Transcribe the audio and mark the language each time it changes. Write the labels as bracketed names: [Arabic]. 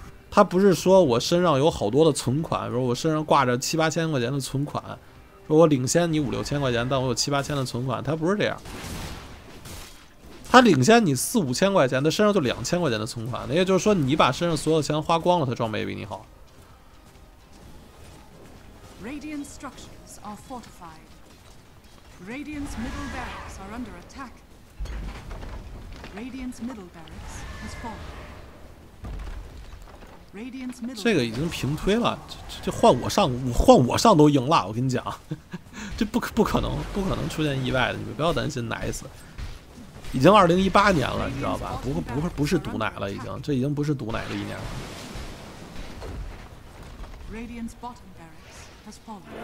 [Chinese] 他不是说我身上有好多的存款，比如我身上挂着七八千块钱的存款，说我领先你五六千块钱，但我有七八千的存款，他不是这样。他领先你四五千块钱，他身上就两千块钱的存款，那也就是说你把身上所有钱花光了，他装备也比你好。 [English] Radiant structures are fortified. Radiant's middle barracks are under attack. Radiant's middle barracks has fallen. [Chinese] Radiant's middle 这个已经平推了，这换我上都赢了，我跟你讲，这不可能出现意外的，你们不要担心奶死。已经2018年了，你知道吧？不是毒奶了，已经不是毒奶的一年了。 [English] Radiant's bottom barracks has fallen.